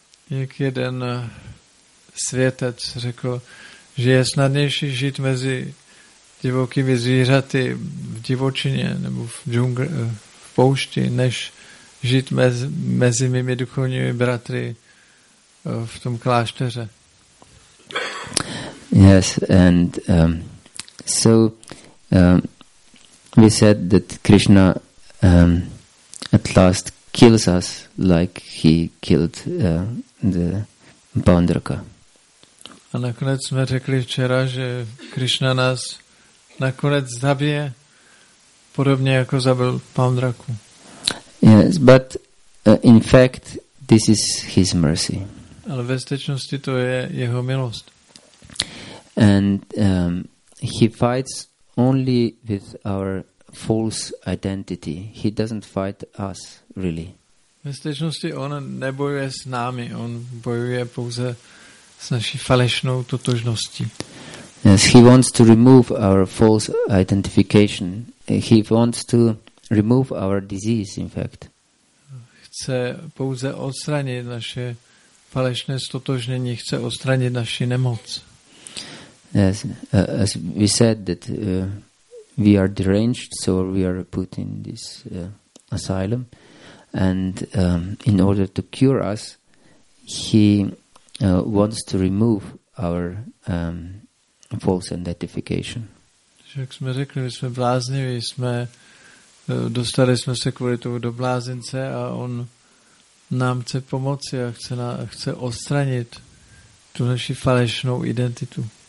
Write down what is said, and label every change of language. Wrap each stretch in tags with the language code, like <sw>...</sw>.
<cs>Jak jeden světec řekl, že je snadnější žít mezi divokými zvířaty v divočině nebo v džungli, v poušti, než žít mezi mými duchovními bratry v tom klášteře.</cs> <en>Yes, and so we said that Krishna at last kills us like he killed the Pandraka.</en> <cs>A nakonec jsme řekli včera, že Krishna nás nakonec zabije, podobně jako zabil Pandraku.</cs> <en>Yes, but in fact this is his mercy.</en> <cs>Ale ve skutečnosti to je jeho milost.</cs> <en>And he fights only with our false identity. He doesn't fight us, really.</en> <cs>Ve skutečnosti on nebojuje s námi, on bojuje pouze s naší falešnou totožností.</cs> <en>Yes, he wants to remove our false identification. He wants to remove our disease, in fact.</en> <cs>chce pouze odstranit naše falešné stotožnění, chce odstranit naši nemoc.</cs> <en>Yes, as we said that we are deranged, so we are put in this asylum, and in order to cure us, he wants to remove our false identification.</en> <cs>Jak jsme řekli, my jsme blázniví, jsme dostali jsme se kvůli tomu do blázince a on nám chce pomoci a chce odstranit tu naši falešnou identitu.</cs>